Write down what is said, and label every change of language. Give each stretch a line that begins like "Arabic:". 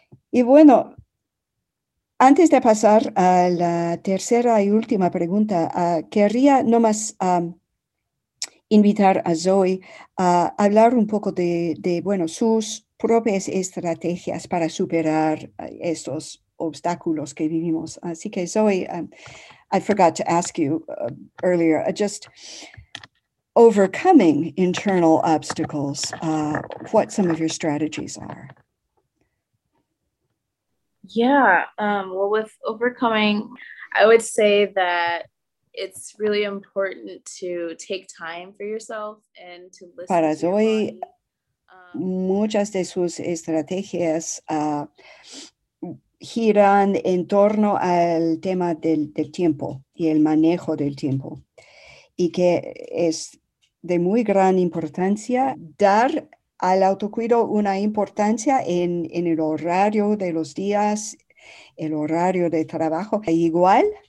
Spanish: Y bueno, antes de pasar a la tercera y última pregunta, querría nomás invitar a Zoe a hablar un poco de sus propias estrategias para superar estos obstáculos que vivimos. Así que
English: Zoe, I forgot to ask you earlier, just overcoming internal obstacles, what some of your strategies are. Yeah, well, with overcoming, I would say that it's really important to take time for yourself and to listen.
Spanish: Para Zoe, muchas de sus estrategias giran en torno al tema del tiempo y el manejo del tiempo, y que es de muy gran importancia dar al autocuido una importancia en el horario de los días, el horario de trabajo, igual